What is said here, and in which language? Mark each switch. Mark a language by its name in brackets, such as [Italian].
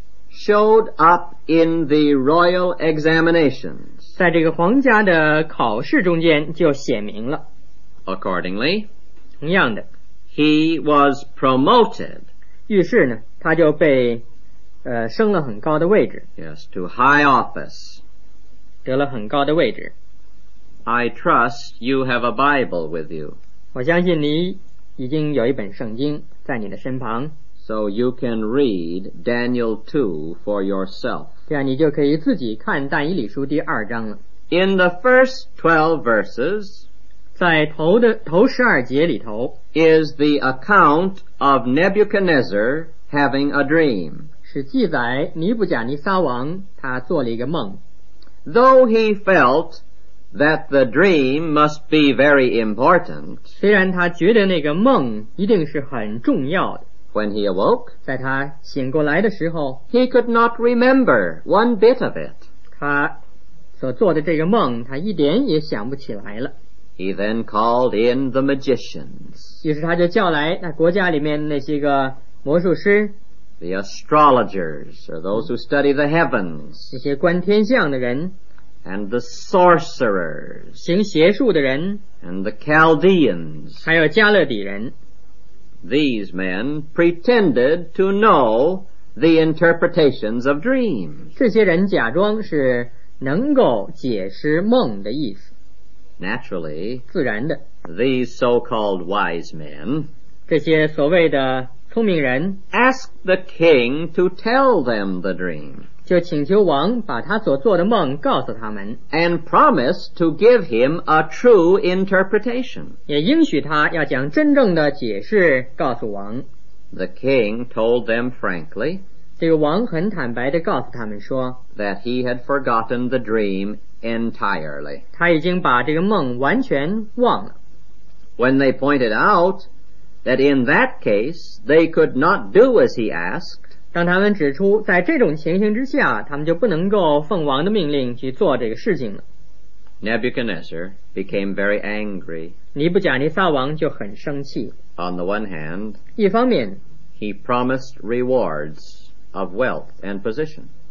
[English] showed up in the royal examinations, [Chinese] 在这个皇家的考试中间就显明了。 [English] Accordingly, [Chinese] 同样的， [English] he was promoted, [Chinese] 于是呢他就被升了很高的位置。 [English] Yes, to high office, [Chinese] 得了很高的位置。 [English] I trust you have a Bible with you, [Chinese] 我相信你已经有一本圣经在你的身旁。 [English] So you can read Daniel 2 for yourself. [Chinese] 这样你就可以自己看但以理书第二章了。 [English] In the first 12 verses, [Chinese] 在头十二节里头， [English] is the account of Nebuchadnezzar having a dream. [Chinese] 是记载尼布甲尼撒王他做了一个梦。 [English] Though he felt that the dream must be very important, [Chinese] 虽然他觉得那个梦一定是很重要的。 [English] When he awoke, [Chinese] 在他醒过来的时候， [English] he could not remember one bit of it. [Chinese] 他所做的这个梦他一点也想不起来了。 [English] He then called in the magicians. [Chinese] 于是他就叫来那国家里面那些个魔术师。 [English] The astrologers, or those who study the heavens. [Chinese] 那些观天象的人。 [English] And the sorcerers, [Chinese] 行邪术的人, [English] and the Chaldeans, [Chinese] 还有加勒底人, [English] these men pretended to know the interpretations of dreams. [Chinese] 这些人假装是能够解释梦的意思。 [English] Naturally, [Chinese] 自然的, [English] these so-called wise men, [Chinese] 这些所谓的聪明人, [English] asked the king to tell them the dream. [Chinese] 就请求王把他所做的梦告诉他们， [English] and promise to give him a true interpretation. [Chinese] 也应许他要将真正的解释告诉王。 [English] The king told them frankly, [Chinese] 这个王很坦白地告诉他们说， [English] that he had forgotten the dream entirely. [Chinese] 他已经把这个梦完全忘了。 [English] When they pointed out that in that case they could not do as he asked, [Chinese] 当他们指出在这种情形之下他们就不能够奉王的命令去做这个事情了。 [English] Nebuchadnezzar became very angry. [Chinese] 尼布甲尼撒王就很生气。 [English] On the one hand, [Chinese] 一方面， [English] he promised rewards of wealth and position.